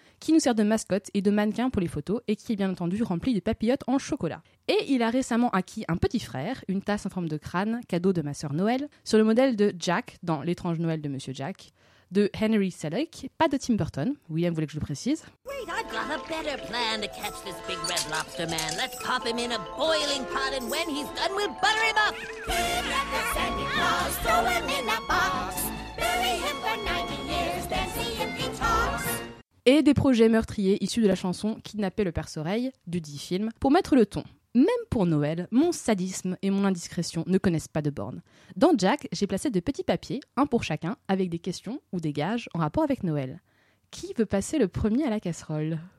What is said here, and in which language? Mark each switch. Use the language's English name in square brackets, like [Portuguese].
[French] qui nous sert de mascotte et de mannequin pour les photos et qui est bien entendu rempli de papillotes en chocolat. Et il a récemment acquis un petit frère, une tasse en forme de crâne, cadeau de ma sœur Noël, sur le modèle de Jack dans L'étrange Noël de Monsieur Jack, de Henry Selick, pas de Tim Burton. William voulait que je le précise. [English] Wait, I've got a better plan to catch this big red lobster man. Let's pop him in a boiling pot and when he's done, we'll butter him up. Big red for Santa Claus, throw him in a box. Bury him for 90 years, then see if he talks. [French] Et des projets meurtriers issus de la chanson Kidnapper le perce-oreille du dit film pour mettre le ton. Même pour Noël, mon sadisme et mon indiscrétion ne connaissent pas de bornes. Dans Jack, j'ai placé de petits papiers, un pour chacun, avec des questions ou des gages en rapport avec Noël. Qui veut passer le premier à la casserole?